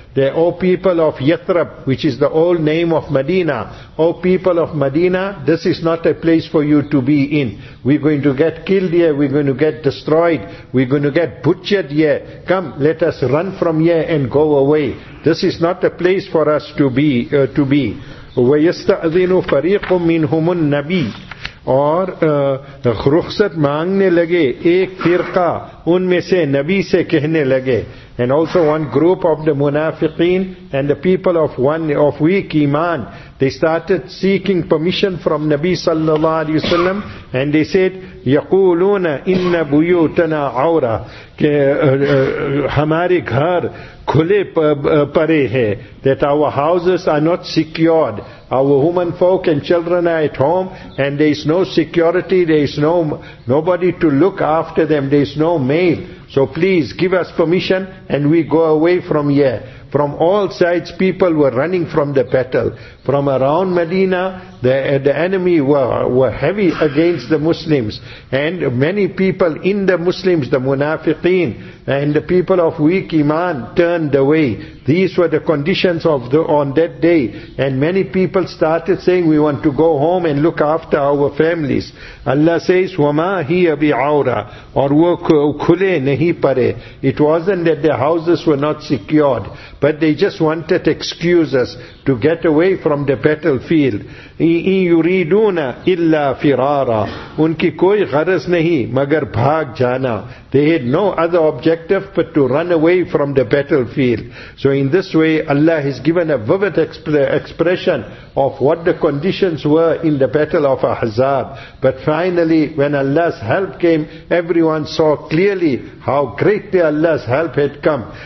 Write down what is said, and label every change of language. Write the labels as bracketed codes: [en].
[en] The O people of Yathrib, which is the old name of Medina. O people of Medina, this is not a place for you to be in. We're going to get killed here. We're going to get destroyed. We're going to get butchered here. Come, let us run from here and go away. This is not a place for us to be. [ar] وَيَسْتَأْذِنُ فَرِيقٌ مِّنْهُمُ النَّبِيِّ [ur] اور رخصت مانگنے لگے ایک فرقہ ان میں سے نبی سے کہنے لگے. [en] And also one group of the munafiqeen and the people of weak iman, they started seeking permission from Nabi sallallahu alayhi wasallam, and they said, [ar] يَقُولُونَ إِنَّ بُيُوتَنَا عَوْرَى, [ur] ہمارے گھر کھلے پرے ہیں, [en] that our houses are not secured, our human folk and children are at home, and there is no security, there is nobody to look after them, there is no maid. So please give us permission and we go away from here. From all sides people were running from the battle. From around Medina, the enemy were heavy against the Muslims. And many people in the Muslims, the munafiqeen, and the people of weak iman turned away. These were the conditions of on that day. And many people started saying, we want to go home and look after our families. [ur] Allah says, [ar] وَمَا هِيَ بِعَوْرَى [ur] اور وہ کھلے نہیں پرے. [en] It wasn't that their houses were not secured, but they just wanted excuses to get away from the battlefield. [ar] اِن يُرِيدُونَ إِلَّا فِرَارًا [ur] ان کی کوئی غرض نہیں مگر بھاگ جانا. [en] They had no other objective but to run away from the battlefield. So in this way, Allah has given a vivid expression of what the conditions were in the battle of Ahzab. But finally, when Allah's help came, everyone saw clearly how greatly Allah's help had come.